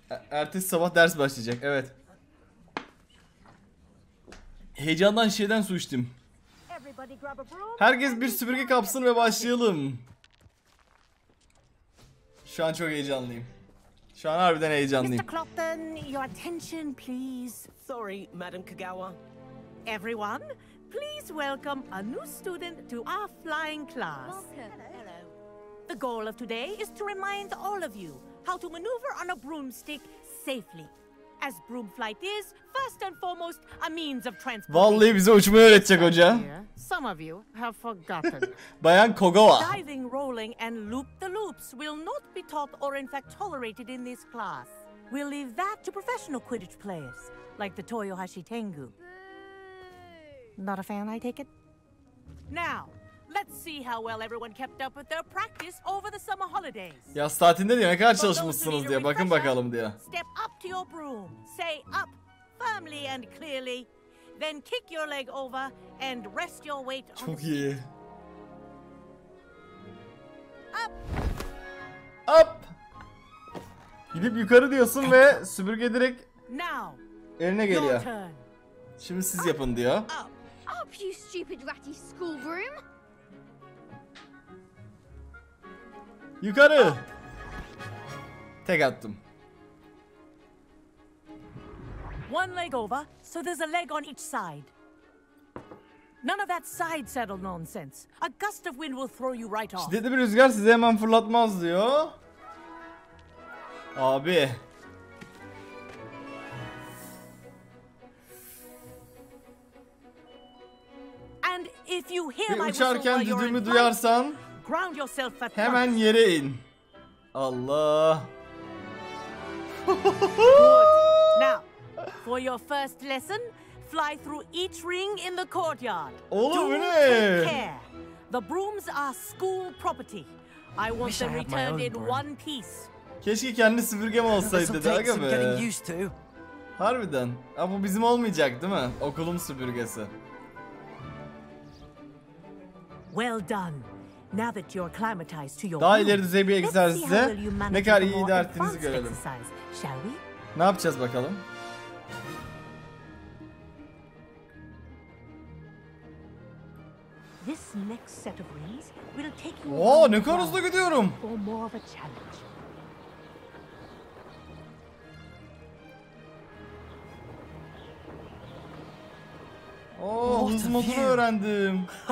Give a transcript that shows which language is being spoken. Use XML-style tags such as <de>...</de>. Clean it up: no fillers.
<tr>Ertesi sabah ders başlayacak evet. Heyecandan şeyden su içtim. Herkes bir süpürge kapsın ve başlayalım. Şu an çok heyecanlıyım. Şu an harbiden heyecanlıyım.</tr> <en>Mr. Clopton, your attention please. Sorry, Madam Kagawa. Everyone, please welcome a new student to our flying class. Welcome. Hello. The goal of today is to remind all of you how to maneuver on a broomstick safely. As broom flight is, first and foremost, a means of transport.</en> <tr>Vallahi bize uçmayı öğretecek hoca.</tr> <en>Some of you have forgotten.</en> <tr>Bayan Kogawa.</tr> <en>Diving, rolling and loop the loops will not be taught or in fact tolerated in this class. We'll leave that to professional Quidditch players, like the Toyohashi Tengu. Not a fan, I take it? Now, let's see how well everyone kept up with their practice over the summer holidays.</en> <tr>Ya saatinde diye ne kadar çalışmışsınız diye bakın bakalım diye.</tr> <en>Step up to your broom. Say up firmly and clearly. Then kick your leg over and rest your weight on.</en> <tr>Çok iyi.</tr> <en>Up. Up.</en> <tr>Gidip yukarı diyorsun ve süpürge direkt</tr> <en>now,</en> <tr>eline geliyor. Şimdi siz</tr> <en>up,</en> <tr>yapın diyor.</tr> <en>Up, you stupid ratty schoolroom.</en> <tr>Yukarı. Tek attım.</tr> <en>One leg over, so there's a leg on each side. None of that side saddle nonsense. A gust of wind will throw you right off.</en> <tr>Şiddetli bir rüzgar sizi hemen fırlatmaz diyor. Abi.</tr> <en>And if you hear my</en> <tr>uçarken düdüğümü duyarsan</tr> <en>ground yourself at once.</en> <tr>Hemen yere in. Allah.</tr> <en>Now, for your first lesson, fly through each ring in the courtyard.</en> <tr>Oğlum bu ne?</tr> <en>The brooms are school property. I want them returned in one piece.</en> <tr>Keşke kendi süpürgem olsaydı daha be. Harbiden. Ama bu bizim olmayacak değil mi? Okulum süpürgesi.</tr> <en>Well done. Now that you're acclimatized to your</en> <tr>daha ileri düzey bir egzersize ne kadar iyi idare ettiğinizi görelim. Ne yapacağız bakalım?</tr> <en>This next set of rings will take you.</en> <tr>Oo, ne kadar hızlı gidiyorum. Oo, hızlı motoru öğrendim.</tr>